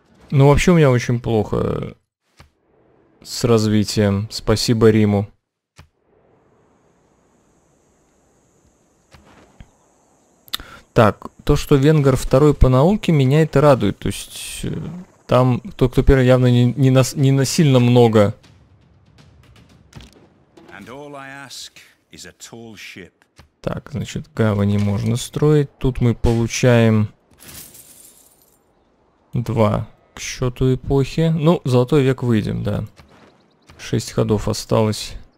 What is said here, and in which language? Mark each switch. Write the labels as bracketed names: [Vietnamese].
[Russian] Ну, вообще у меня очень плохо с развитием. Спасибо Риму. Так, то, что венгр второй по науке, меня это радует. То есть, там тот, кто первый, явно не на сильно много. [English] And all I ask is a tall ship. [Russian] Так, значит, гавани можно строить. Тут мы получаем 2 к счету эпохи. Ну, золотой век выйдем, да. 6 ходов осталось.